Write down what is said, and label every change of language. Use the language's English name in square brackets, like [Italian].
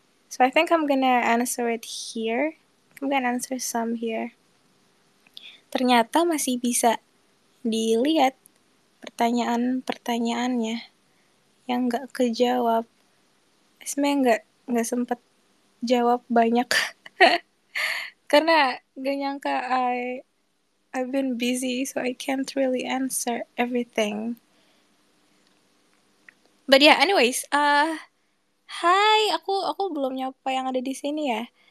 [English] So I think I'm gonna answer it here. I'm gonna answer some here. [Indonesian] Ternyata masih bisa dilihat pertanyaan-pertanyaannya yang gak kejawab. Esme gak sempet jawab banyak. Karena gak nyangka [English] I've been busy, so I can't really answer everything. But yeah, anyways, hi, [Indonesian] aku belum nyapa yang ada di sini ya.